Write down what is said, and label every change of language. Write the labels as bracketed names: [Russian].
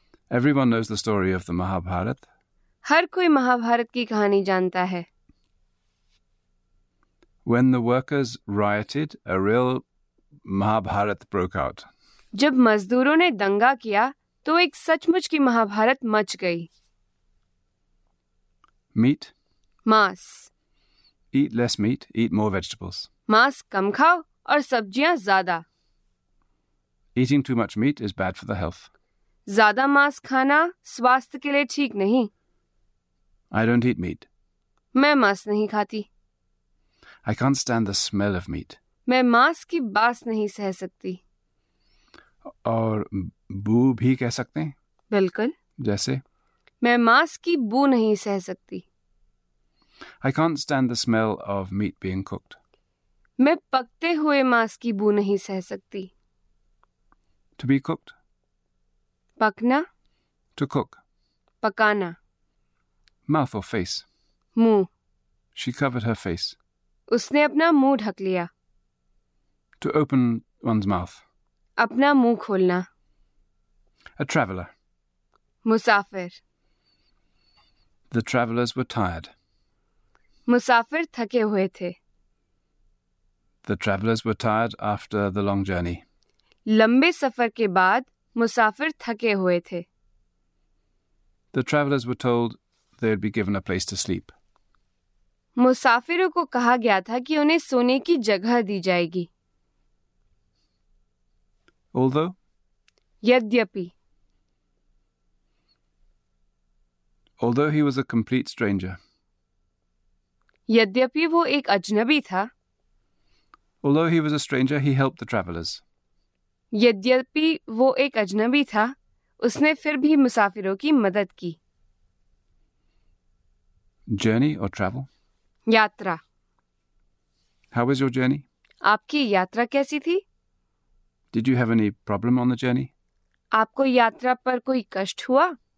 [English] Everyone knows the story of the Mahabharat. [Hindi] हर कोई महाभारत की कहानी जानता है. [English] When the workers rioted, a real Mahabharat broke out. [Hindi] जब मजदूरों ने दंगा किया तो एक सचमुच की महाभारत मच गई. [English] Meat. [Hindi] मांस. [English] Eat less meat, eat more vegetables. [Hindi] मांस कम खाओ और सब्जियां ज्यादा. [English] Eating too much meat is bad for the health. [Hindi] ज्यादा मांस खाना स्वास्थ्य के लिए ठीक नहीं. [English] I don't eat meat. [Hindi] मैं मांस नहीं खाती. [English] I can't stand the smell of meat. [Hindi] मैं मांस की बास नहीं सह सकती. और बू भी कह सकते हैं? बिल्कुल. जैसे? मैं मांस की बू नहीं सह सकती. [English] I can't stand the smell of meat being cooked. [Hindi] मैं पकते हुए मांस की बू नहीं सह सकती. [English] To be cooked. [Hindi] पकना. [English] To cook. [Hindi] पकाना. [English] Mouth or face. [Hindi] मुंह. [English] She covered her face. [Hindi] उसने अपना मुंह ढक लिया. [English] To open one's mouth. [Hindi] अपना मुंह खोलना. [English] A traveler. [Hindi] Musafir. [English] The travelers were tired. [Hindi] मुसाफिर थके हुए थे. [English] The travelers were tired after the long journey. [Hindi] लंबे सफर के बाद मुसाफिर थके हुए थे. [English] The travelers were told they'd be given a place to sleep. [Hindi] मुसाफिरों को कहा गया था कि उन्हें सोने की जगह दी जाएगी. [English] Although. [Hindi] यद्यपि. [English] Although he was a complete stranger. [Hindi] यद्यपि वो एक अजनबी था. [English] Although he was a stranger, he helped the travelers. [Hindi] यद्यपि वो एक अजनबी था, उसने फिर भी मुसाफिरों की मदद की. [English] Journey or travel? [Hindi] यात्रा. [English] How was your journey? [Hindi] आपकी यात्रा कैसी थी? [English] Did you have any problem on the journey? [Hindi] आपको यात्रा पर कोई कष्ट हुआ?